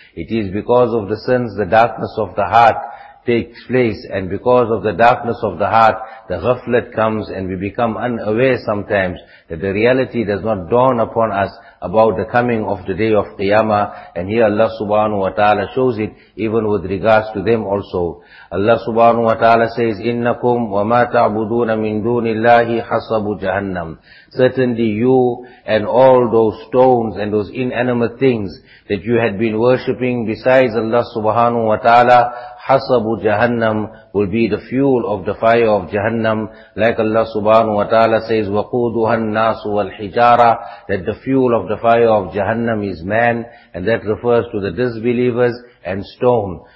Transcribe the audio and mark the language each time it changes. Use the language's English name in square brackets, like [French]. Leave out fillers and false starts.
[English] It is because of the sins the darkness of the heart takes place, and because of the darkness of the heart, the ghaflat comes and we become unaware sometimes that the reality does not dawn upon us about the coming of the day of Qiyamah. And here Allah subhanahu wa ta'ala shows it even with regards to them also. [Arabic] Allah subhanahu wa ta'ala says, إِنَّكُمْ وَمَا تَعْبُدُونَ مِن دُونِ اللَّهِ حَصَبُ جَهَنَّمُ. [English] Certainly you and all those stones and those inanimate things that you had been worshipping besides Allah subhanahu wa ta'ala, [Arabic] حَصَبُ جَهَنَّمُ, [English] will be the fuel of the fire of Jahannam. Like Allah subhanahu wa ta'ala says, [Arabic] وَقُودُهَا النَّاسُ وَالْحِجَارَةُ, [English] that the fuel of the fire of Jahannam is man, and that refers to the disbelievers and stone.